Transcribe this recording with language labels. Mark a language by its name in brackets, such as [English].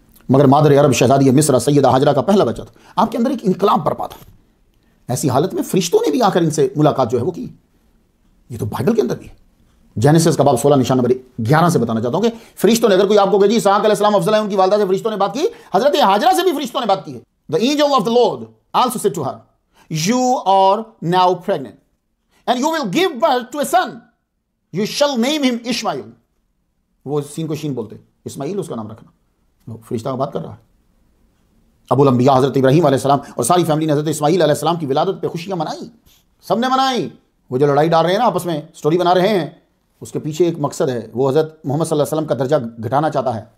[Urdu] مگر مادر عرب شہزادی مصر سیدہ ہاجرہ کا پہلا بچہ تھا, آپ کے اندر ایک انقلاب برپا تھا. ایسی حالت میں فرشتوں نے بھی آ کر ان سے ملاقات جو ہے وہ کی. یہ تو بائبل کے اندر بھی ہے. جینیسس کا باب 16 نشان نمبر 11 سے بتانا چاہتا ہوں کہ فرشتوں نے, اگر کوئی آپ کو کہے جی اسحاق علیہ السلام افضل ہیں, ان کی والدہ سے فرشتوں نے بات کی, حضرت ہاجرہ سے بھی فرشتوں نے بات کی ہے. [English] The angel of the Lord also said to her, you are now pregnant and you will give birth to a son, you shall name him Ishmael. [Urdu] وہ سین کو شین بولتے, اسماعیل اس کا نام رکھنا. فرشتہ کا بات کر رہا ہے. ابو الانبیاء حضرت ابراہیم علیہ السلام اور ساری فیملی نے حضرت اسماعیل علیہ السلام کی ولادت پہ خوشیاں منائی, سب نے منائی. وہ جو لڑائی ڈال رہے ہیں نا آپس میں, سٹوری بنا رہے ہیں, اس کے پیچھے ایک مقصد ہے, وہ حضرت محمد صلی اللہ علیہ وسلم کا درجہ گھٹانا چاہتا ہے.